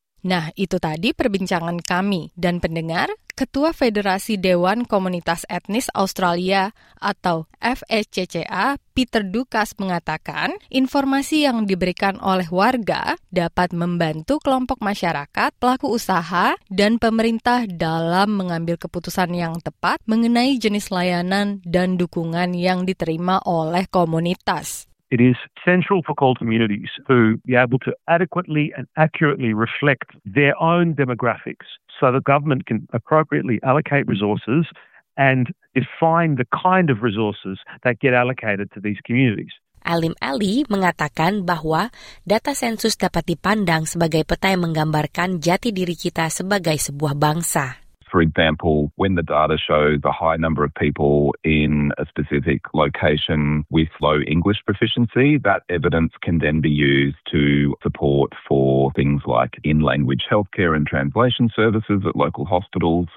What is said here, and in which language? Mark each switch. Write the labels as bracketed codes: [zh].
[id] Nah, itu tadi perbincangan kami dan pendengar, Ketua Federasi Dewan Komunitas Etnis Australia atau FSCCA, Peter Dukas mengatakan, informasi yang diberikan oleh warga dapat membantu kelompok masyarakat, pelaku usaha, dan pemerintah dalam mengambil keputusan yang tepat mengenai jenis layanan dan dukungan yang diterima oleh komunitas. [en] It is central for coal communities to be able to adequately and accurately reflect their own demographics so that government can appropriately allocate resources and define the kind of resources that get allocated to these communities. [id] Alim Ali mengatakan bahwa data sensus dapat dipandang sebagai peta yang menggambarkan jati diri kita sebagai sebuah bangsa. [en] For example, when the data show the high number of people in a specific location with low English proficiency, that evidence can then be used to support for things like in-language healthcare and translation services at local hospitals.